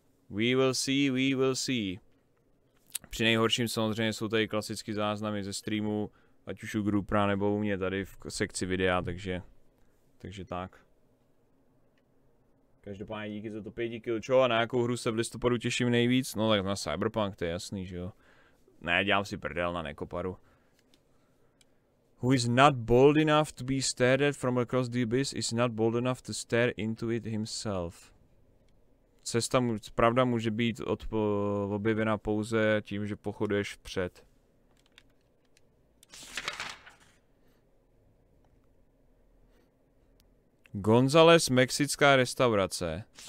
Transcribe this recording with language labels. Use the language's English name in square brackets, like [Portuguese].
[English] We will see. [Czech] Při nejhorším samozřejmě jsou tady klasické záznamy ze streamu, ať už u Groupra nebo u mě tady v sekci videa, takže tak. Každopádně díky za to 5 kill, čo, a na jakou hru se v listopadu těším nejvíc? No tak na Cyberpunk, to je jasný, že jo. Ne, dělám si prdel na Nekoparu. [English] Who is not bold enough to be stared at from across the abyss is not bold enough to stare into it himself. [Czech] cesta, pravda může být objevena pouze tím, že pochoduješ vpřed. González, mexická restaurace.